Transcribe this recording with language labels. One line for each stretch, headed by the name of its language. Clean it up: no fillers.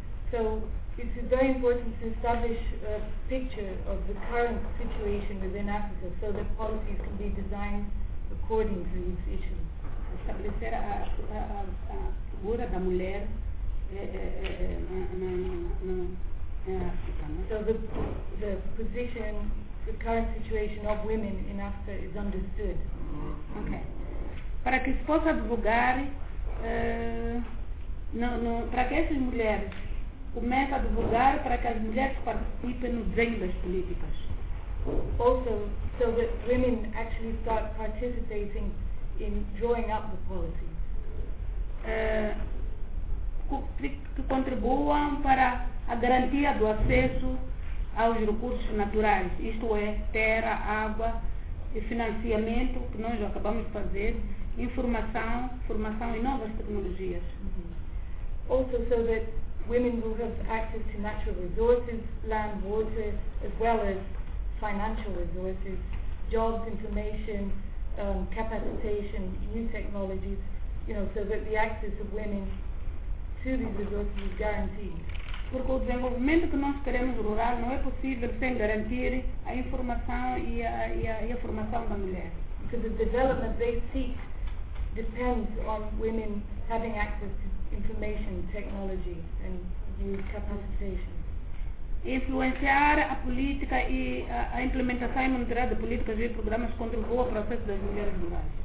English: So, it's very important to establish a picture of the current situation within Africa so that policies can be designed according to these issues.
Portuguese: Estabelecer a figura da mulher na África.
English: So the position, the current situation of women in Africa is understood. Okay.
Portuguese: Para que se possa divulgar, para que essas mulheres começa a divulgar para que as mulheres participem no desenho das políticas.
English: Also, so that women actually start participating in drawing up the policies.
Portuguese: Que contribuam para a garantia do acesso aos recursos naturais, isto é, terra, água e financiamento, que nós já acabamos de fazer, formação e novas tecnologias. Mm-hmm.
English: Also, so that women will have access to natural resources, land, water, as well as financial resources, jobs, information, capacitation, new technologies, you know, so that the access of women to these resources is guaranteed.
Portuguese: Porque o desenvolvimento que nós queremos rural não é possível sem garantir a informação e a formação da mulher.
English: Because the development they seek depends on women having access to information, technology, and new capacitation.
Portuguese: Influenciar a política e a implementação e monitorar de políticas e programas contribuiu ao processo das mulheres rurais.